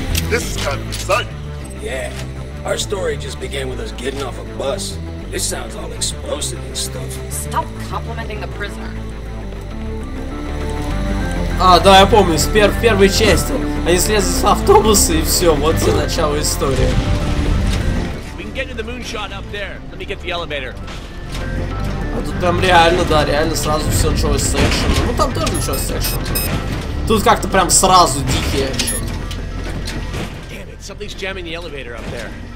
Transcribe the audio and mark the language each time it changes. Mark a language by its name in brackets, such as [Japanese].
[English] This is kind of exciting. Yeah, our story just began with us getting off a bus. This sounds all explosive and stuff. Stop complimenting the prisoner. [Russian] А, да, я помню, в первой части. Они слезли с автобуса и все, вот за начало истории. [English] We can getting the moonshot up there. Let me get the elevator. [Russian] А тут прям реально, да, реально сразу все началось с экшена. Ну там тоже началось с экшена. Тут как-то прям сразу дикий экшен. [English] Something's jamming the elevator up there.